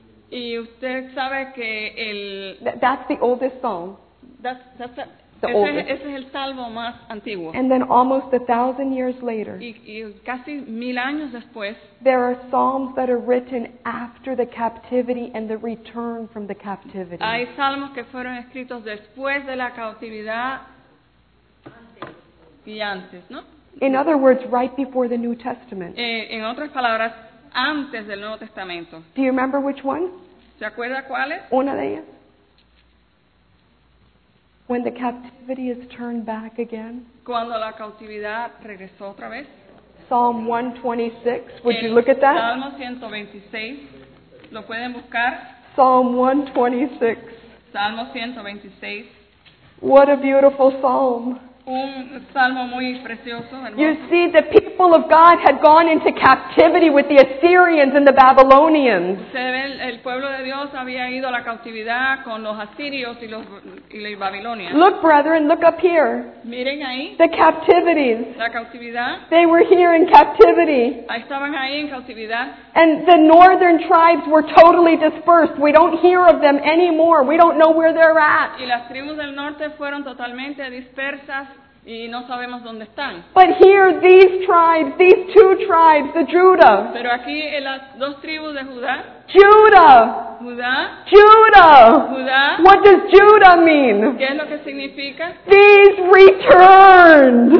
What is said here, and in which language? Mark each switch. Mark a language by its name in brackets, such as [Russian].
[Spanish] ¿Y usted sabe que el... [English] That's the oldest psalm. [Spanish] Ese es el Salmo más antiguo. [English] And then almost 1,000 years later, [Spanish] y casi mil años después, [English] there are psalms that are written after the captivity and the return from the captivity. [Spanish] Hay salmos que fueron escritos después de la cautividad y antes, ¿no? [English] In other words, right before the New Testament. [Spanish] En otras palabras, antes del Nuevo Testamento. [English] Do you remember which one? [Spanish] ¿Se acuerda cuál es? Una de ellas. [English] When the captivity is turned back again. [Spanish] Cuando la cautividad regresó otra vez. [English] Psalm 126. Would you look at that? [Spanish] Salmo 126. ¿Lo pueden buscar? [English] Psalm 126. [Spanish] Salmo 126. [English] What a beautiful psalm. [Spanish] Un salmo muy precioso, hermoso. [English] You see, the people of God had gone into captivity with the Assyrians and the Babylonians. [Spanish] El pueblo de Dios había ido a la cautividad con los asirios y los babilonios. [English] Look, brethren, look up here. [Spanish] Miren ahí. [English] The captivities. [Spanish] La cautividad. [English] They were here in captivity. [Spanish] Estaban ahí en cautividad. [English] And the northern tribes were totally dispersed. We don't hear of them anymore. We don't know where they're at. [Spanish] Y las tribus del norte fueron totalmente dispersas. Y no sabemos dónde están. [English] But here, these tribes, these two tribes, the Judah. [Spanish] Pero aquí las dos tribus de Judá. [English] Judah. [Spanish] Judá. [English] Judah. [Spanish] Judá. [English] What does Judah mean? [Spanish] ¿Qué es lo que significa? [English] These returned.